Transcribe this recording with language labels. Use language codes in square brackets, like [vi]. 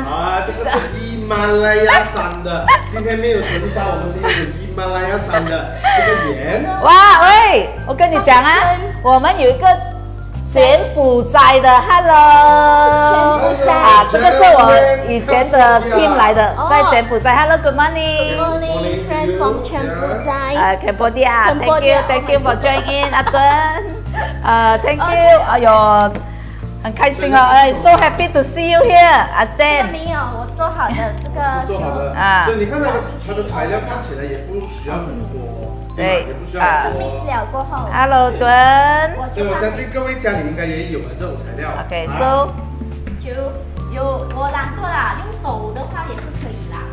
[zh] 啊，这个是喜马拉雅山的。今天没有神山，我们今天是喜马拉雅山的这个盐。哇喂，我跟你讲啊，我们有一个。柬埔寨的 ，Hello，柬埔寨啊，这个是我以前的 team 来的，在柬埔寨 ， [en] Hello， Good morning，friend from 柬埔寨， Cambodia，thank you for joining in， 阿敦，thank you， 哎呦，很开心哦，哎 ，so happy to see you here， 阿 Sam， [zh] 没有，我做好的这个，做好的，所以你看到它的材料看起来也不需要很多。对，也不需要说。 mix 了过后。 [en] Hello， 敦。 [zh] 所以我相信各位家里应该也有这种材料。 [en] OK， so [zh] 就有我懒惰啦，用手的话也是可以啦。